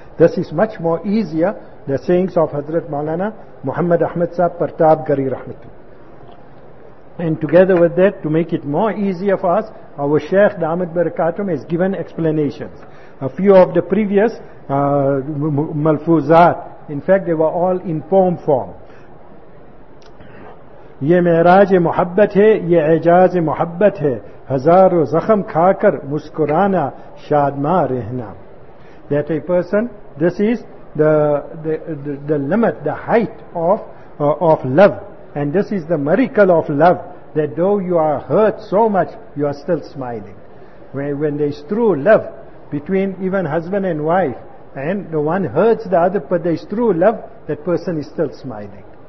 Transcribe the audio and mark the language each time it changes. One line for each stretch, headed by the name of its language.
English: This is much more easier, the sayings of Hazrat Maulana Muhammad Ahmad Sahib Pratap Gari rahmatullah. And together with that, to make it more easier for us, our Shaykh Damat Barakatum has given explanations. A few of the previous malfuzat, in fact they were all in poem form.
Urdu: یہ معراج محبت ہے یہ اعجاز محبت ہے ہزار زخم کھا کر مسکرانا شادماں رہنا.
English: That a person, this is the limit, the height of of love. And this is the miracle of love, that though you are hurt so much, you are still smiling. When there is true love between even husband and wife, and the one hurts the other, but there is true love, that person is still smiling.